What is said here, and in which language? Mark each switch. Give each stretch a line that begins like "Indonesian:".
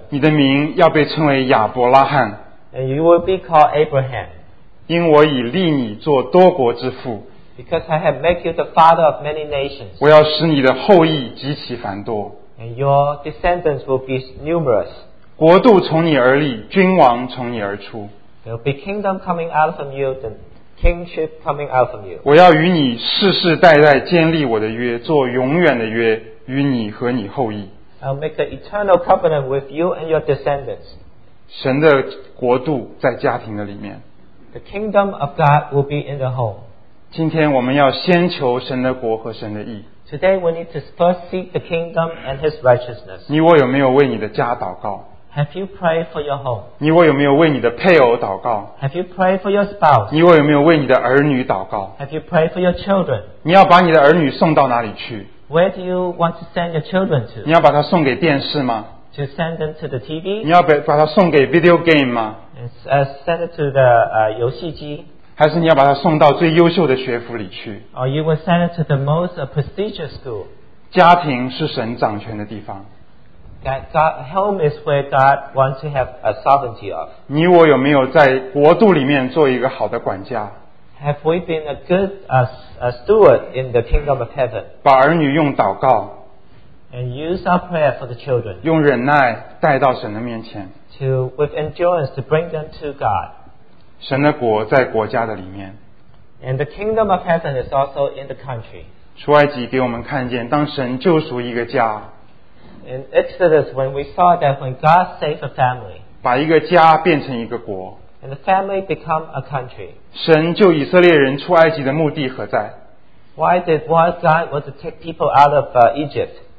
Chinese: 你的名要被称为亚伯拉罕。
English: And you will be called Abraham.
Chinese: 因我已立你做多国之父。
English: Because I have made you the father of many nations.
Chinese: 我要使你的后裔极其繁多。
English: And your descendants will be numerous.
Chinese: 国度从你而立，君王从你而出。
English: There will be kingdom coming out from you, the kingship coming out from you.
Chinese: 我要与你世世代代建立我的约，做永远的约，与你和你后裔。
English: I'll make the eternal covenant with you and your descendants.
Chinese: 神的国度在家庭的里面。
English: The kingdom of God will be in the home.
Chinese: 今天我们要先求神的国和神的义。
English: Today we need to first seek the kingdom and his righteousness.
Chinese: 你我有没有为你的家祷告?
English: Have you prayed for your home?
Chinese: 你我有没有为你的配偶祷告?
English: Have you prayed for your spouse?
Chinese: 你我有没有为你的儿女祷告?
English: Have you prayed for your children?
Chinese: 你要把你的儿女送到哪里去?
English: Where do you want to send your children to?
Chinese: 你要把他送给电视吗?
English: To send them to the TV?
Chinese: 你要把他送给video game吗?
English: Send it to the 游戏机?
Chinese: 还是你要把他送到最优秀的学府里去?
English: Or you will send it to the most prestigious school?
Chinese: 家庭是神掌权的地方。
English: God, home is where God wants to have a sovereignty of.
Chinese: 你我有没有在国度里面做一个好的管家?
English: Have we been a good steward in the kingdom of heaven?
Chinese: 把儿女用祷告,
English: and use our prayer for the children.
Chinese: 用忍耐带到神的面前,
English: to, with endurance to bring them to God.
Chinese: 神的国在国家的里面,
English: and the kingdom of heaven is also in the country.
Chinese: 出埃及给我们看见, 当神救赎一个家,
English: in Exodus, when we saw that when God saved a family,
Chinese: 把一个家变成一个国,
English: and the family become a country,
Chinese: 神救以色列人出埃及的目的何在?
English: Why God was to take people out of Egypt?